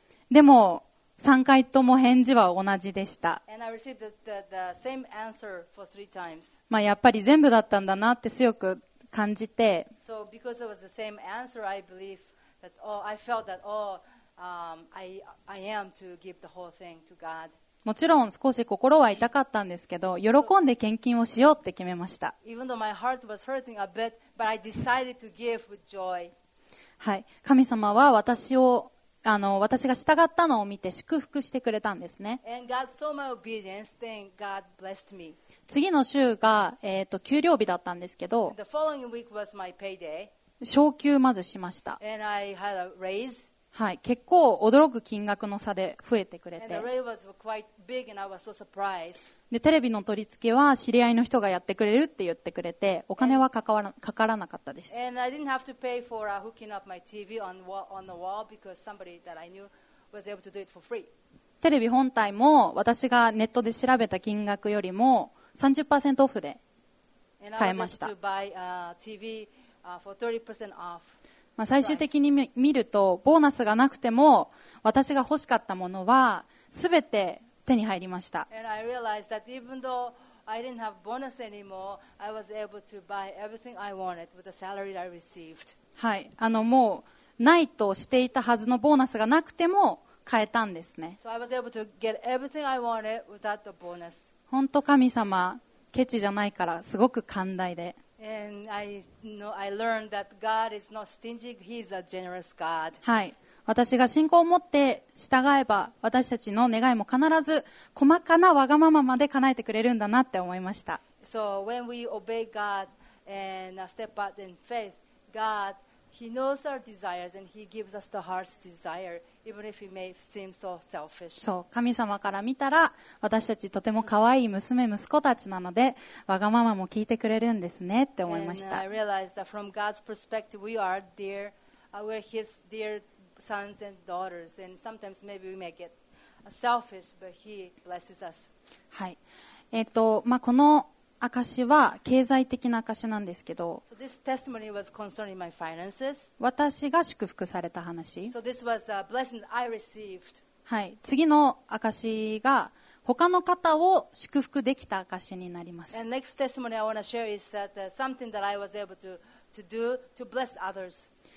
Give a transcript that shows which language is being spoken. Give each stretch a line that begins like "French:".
Japanese: でも3回とも返事は同じでした。やっぱり全部だったんだなって強く感じて、
English: so because it was the same answer, I believethat, oh, I felt that, oh, I am to give the whole thing to God.
Japanese: もちろん少し心は痛かったんですけど、喜んで献金をしようって決めました。
English: Even though my heart was hurting a bit, but I decided to give with joy.
Japanese: はい、神様は私を、私が従ったのを見て祝福してくれたんですね。
English: And God saw my obedience, then God blessed me.
Japanese: 次の週が、給料日だったんですけど、
English: And the following week was my payday.
Japanese: 昇給まずしました。
English: And I had a raise.
Japanese: はい、結構驚く金額の差で増えてくれて、
English: And the raise was quite big and I was so surprised.
Japanese: でテレビの取り付けは知り合いの人がやってくれるって言ってくれて、お金はかからなかったです。
English: And I didn't have to pay for hooking up my TV on the wall because somebody that I knew was able to do it for free.
Japanese: テレビ本体も私がネットで調べた金額よりも 30% オフで買えました。
English: And I was able to buy a TVFor 30% off.
Japanese: まあ最終的に見るとボーナスがなくても私が欲しかったものは全て手に入りました。
English: And I realized that even though I didn't have bonus anymore, I was able to buy everything I wanted with the salary I received.
Japanese: はい、もうないとしていたはずのボーナスがなくても買えたんですね。
English: So I was able to get everything I wanted without the bonus.
Japanese: 本当神様ケチじゃないからすごく寛大で。
English: And I know I learned that God is not stingy. He's a generous God.
Japanese: はい、私が信仰を持って従えば私たちの願いも必ず細かなわがまままで叶えてくれるんだなって思いました。
English: So when we obey God and step out in faith, God He knows our desires and He gives us the heart's desire, even if it may seem so selfish.
Japanese: そう、神様から見たら私たちとても可愛い娘息子たちなのでわがままも聞いてくれるんですねって思いました。
English: And I realized that from God's perspective, we're His dear sons and daughters, and sometimes maybe we may get selfish, but He blesses us.
Japanese: はい、この証は経済的な証なんですけど、
English: so、this testimony was concerning my finances.
Japanese: 私が祝福された話、
English: so、this was a blessing I received.
Japanese: はい、次の証が他の方を祝福できた証になります。
English: And next testimony I want to share is that something that I was able to do to bless others.